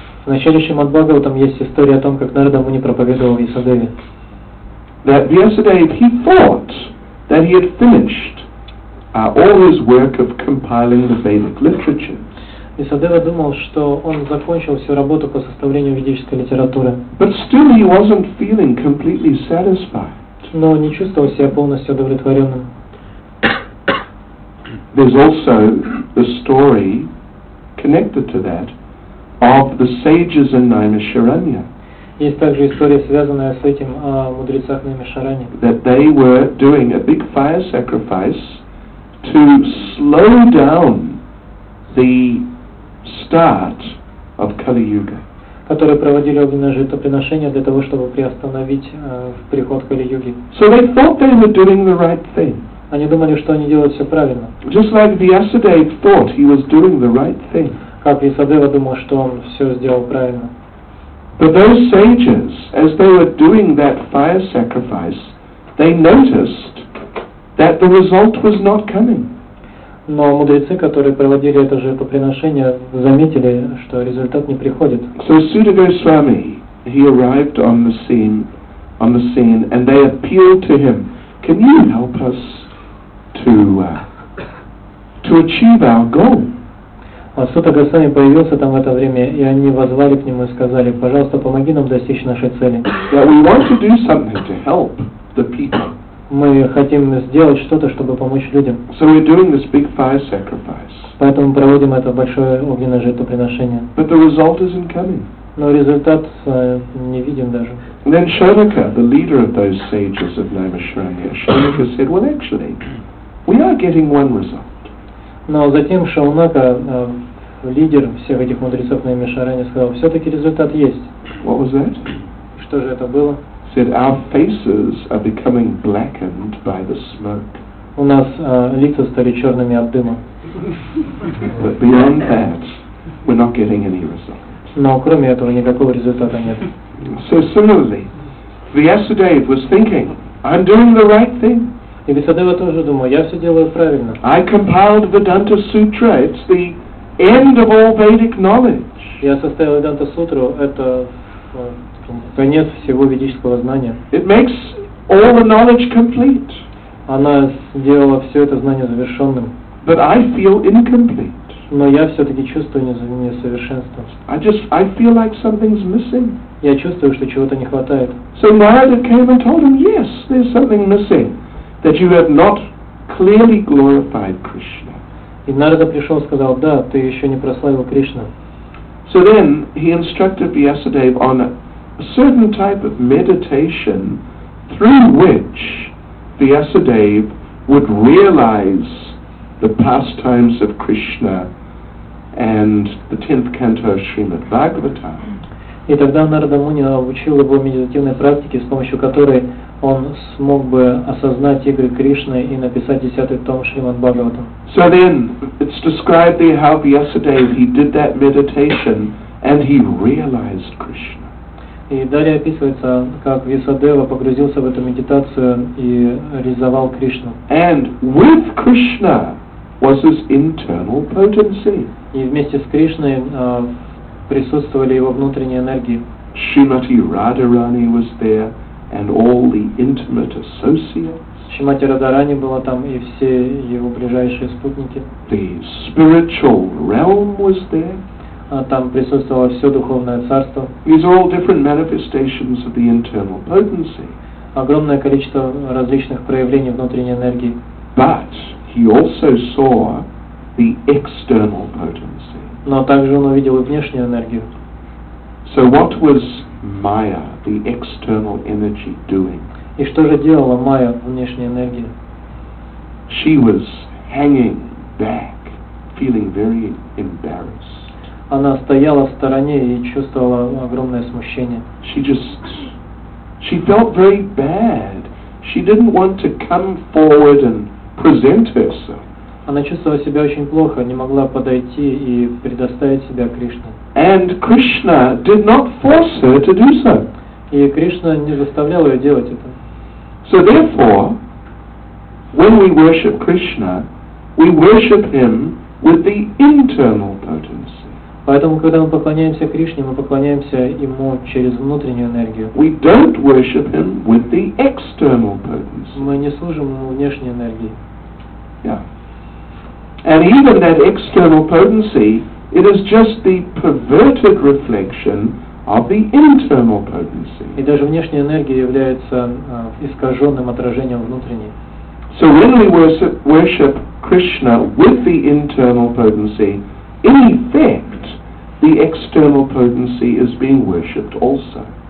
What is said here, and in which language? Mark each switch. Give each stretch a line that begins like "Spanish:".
Russian: В начале Шримад Бхагаватам есть история о том, как Нарада Муни проповедовал Вьясадеве.
English: That Vyasadeva, he thought that he had finished all his work of compiling the Vedic literature.
Russian: Исадева думал, что он закончил всю работу по составлению ведической литературы.
English: But still he wasn't feeling completely satisfied.
Russian: Но не чувствовал себя полностью удовлетворенным.
English: There's also the story connected to that of the sages in Naimisharanya.
Russian: Есть также история, связанная с этим, о мудрецах Наймишаране.
English: That they were doing a big fire sacrifice to slow down the start of Kali Yuga.
Russian: Которые проводили огненное жертвоприношение для того, чтобы приостановить приход Кали Юги.
English: So they thought they were doing the right thing.
Russian: Они думали, что они делают все правильно.
English: Just like Vyasadeva thought he was doing the right thing.
Russian: Как Исадева думал, что он все сделал правильно.
English: But those sages, as they were doing that fire sacrifice, they noticed that the result was not coming.
Russian: Но мудрецы, которые проводили это жертвоприношение, заметили, что результат не приходит.
English: So Sudha Goswami, he arrived on the scene, and they appealed to him, "Can you help us to achieve our goal?"
Russian: Сута Госвами появился там в это время, и они воззвали к нему и сказали, "Пожалуйста, помоги нам достичь нашей цели."
English: That we want to do something to help the people.
Russian: Мы хотим сделать что-то, чтобы помочь людям.
English: So we're doing this big fire sacrifice.
Russian: Поэтому проводим это большое огненное жертвоприношение.
English: But the result isn't coming.
Russian: Но результат не видим даже.
English: And then Shonaka, the leader of those sages of Naimisharanya, Shonaka said, "Well, actually, we are getting one result."
Russian: Но затем Шаунака, лидер всех этих мудрецов Наймишаране, сказал, "Все-таки результат есть."
English: What was that?
Russian: Что же это было?
English: Said our faces are becoming blackened by the smoke.
Russian: У нас лица стали черными от дыма.
English: But beyond that, we're not getting any result.
Russian: Но кроме этого никакого результата нет.
English: So similarly, Vyasadeva was thinking, "I'm doing the right thing."
Russian: И Вьясадева тоже думал, я все делаю правильно.
English: I compiled Vedanta Sutra. It's the end of all Vedic knowledge.
Russian: Я составил Vedanta Sutra. Это конец всего ведического знания.
English: It makes all the knowledge complete.
Russian: Она сделала все это знание завершенным.
English: But I feel incomplete.
Russian: Но я все-таки чувствую несовершенство.
English: I feel like something's missing.
Russian: Я чувствую, что чего-то не хватает.
English: So Narada came and told him, "Yes, there's something missing, that you have not clearly glorified Krishna."
Russian: И Нарада пришел и сказал, "Да, ты еще не прославил Кришну."
English: So then he instructed Vyasadeva on a certain type of meditation through which Vyasadeva would realize the pastimes of Krishna and the 10th canto of Srimad Bhagavatam.
Russian: И тогда Нарада Муни научил его медитативной практике, с помощью которой он смог бы осознать игры Кришны и написать 10-й том Шримад Бхагаватам.
English: So then it's described there how Vyasadeva he did that meditation and he realized Krishna.
Russian: И далее описывается, как Вьясадева погрузился в эту медитацию и реализовал Кришну.
English: And with Krishna was his internal potency.
Russian: И вместе с Кришной присутствовали его внутренние энергии.
English: Шримати Радарани was there and all the intimate associates.
Russian: Шримати Радарани была там и все его ближайшие спутники.
English: The spiritual realm was there.
Russian: Там присутствовало все духовное царство.
English: These are all different manifestations of the internal potency.
Russian: Огромное количество различных проявлений внутренней энергии.
English: But he also saw the external potency.
Russian: Но также он увидел и внешнюю энергию.
English: So what was Maya, the external energy, doing?
Russian: И что же делала Maya, внешняя энергия?
English: She was hanging back, feeling very embarrassed.
Russian: Она стояла в стороне и чувствовала огромное смущение.
English: She felt very bad. She didn't want to come forward and present herself.
Russian: Она чувствовала себя очень плохо, не могла подойти и предоставить себя Кришне.
English: And Krishna did not force her to do so.
Russian: И Кришна не заставлял ее делать это.
English: So therefore, when we worship Krishna, we worship him with the internal potency.
Russian: Поэтому, когда мы поклоняемся Кришне, мы поклоняемся Ему через внутреннюю энергию.
English: We don't worship Him with the external potency.
Russian: Мы не служим Ему внешней энергией.
English: Yeah. And even that external potency, it is just the perverted reflection of the internal potency.
Russian: И даже внешняя энергия является искаженным отражением внутренней.
English: So when we worship Krishna with the internal potency, in effect, the external potency is being worshipped also.